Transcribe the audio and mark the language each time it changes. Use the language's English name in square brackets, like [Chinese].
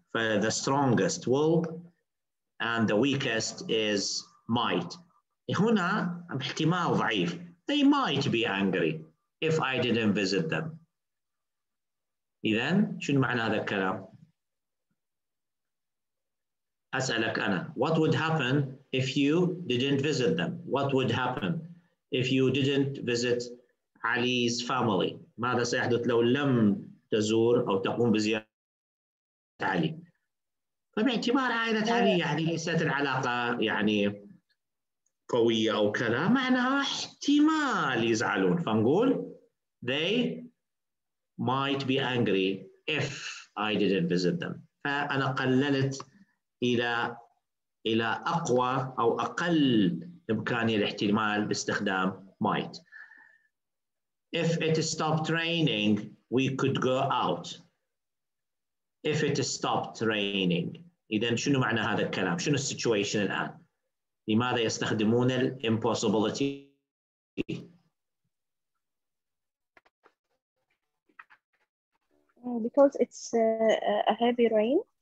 [English] The strongest will and the weakest is might. [Arabic] هنا احتمال ضعيف. [English] They might be angry if I didn't visit them. [Arabic] إذن شنو معنى هذا الكلام؟ أسألك أنا. [English] What would happen if you didn't visit them? What would happen if you didn't visit Ali's family? [Arabic] ماذا سيحدث لو لم تزور أو تقوم بزيارة علي؟ فباعتبار عائلة علي يعني ليست العلاقة يعني قوية أو كذا، معناها احتمال يزعلون. فنقول [English] they might be angry if I didn't visit them. [Arabic] فأنا قللت إلى أقوى أو أقل إمكانية الاحتمال باستخدام might. [English] If it stopped raining, we could go out. If it stopped raining. [Arabic] إذن شنو معنى هذا الكلام؟ شنو السيتويشن الآن؟ لماذا يستخدمون الـ impossibility؟ [English] Because it's a heavy rain.